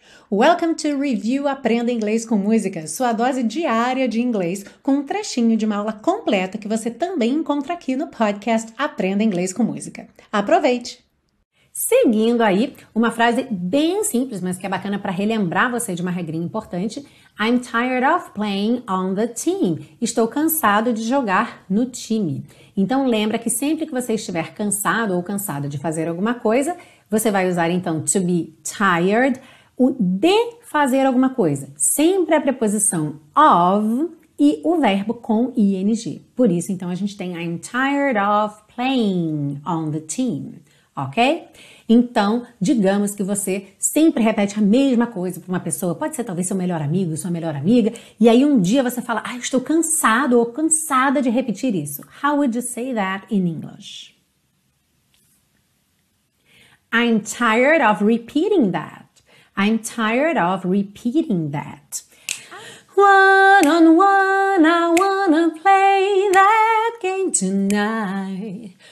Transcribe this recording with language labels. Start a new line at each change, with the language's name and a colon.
Portuguese: Welcome to Review Aprenda Inglês com Música, sua dose diária de inglês, com um trechinho de uma aula completa que você também encontra aqui no podcast Aprenda Inglês com Música. Aproveite! Seguindo aí, uma frase bem simples, mas que é bacana para relembrar você de uma regrinha importante.
English: I'm tired of playing on the team.
Portuguese: Estou cansado de jogar no time. Então, lembra que sempre que você estiver cansado ou cansada de fazer alguma coisa, você vai usar então to be tired, o de fazer alguma coisa. Sempre a preposição of e o verbo com ing. Por isso, então, a gente tem
English: I'm tired of playing on the team.
Portuguese: Ok? Então, digamos que você sempre repete a mesma coisa para uma pessoa, pode ser talvez seu melhor amigo, sua melhor amiga, e aí um dia você fala, ah, eu estou cansado ou cansada de repetir isso.
English: How would you say that in English? I'm tired of repeating that. I'm tired of repeating that. One on one, I wanna play that game tonight.